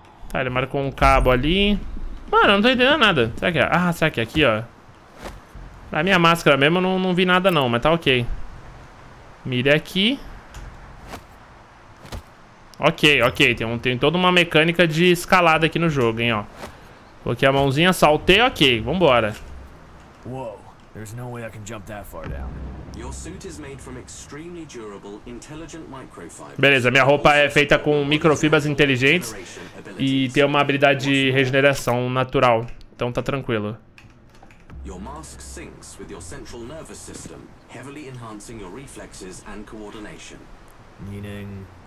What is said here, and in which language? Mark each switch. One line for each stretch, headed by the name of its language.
Portuguese: Tá, ele marcou um cabo ali. Mano, eu não tô entendendo nada. Será que é? Ah, será que é aqui, ó? Pra minha máscara mesmo, eu não vi nada não, mas tá ok. Mira aqui. Ok, ok. Tem toda uma mecânica de escalada aqui no jogo, hein, ó. Coloquei a mãozinha, saltei, ok. Vambora.
English: Uou, there's no way I can jump that far down. Your suit is made from extremely durable, intelligent microfibers.
Portuguese: Beleza, minha roupa é feita com microfibras inteligentes e tem uma habilidade de regeneração natural. Então tá tranquilo.
English: Your mask syncs with your central nervous system, heavily enhancing your reflexes and coordination. Meaning...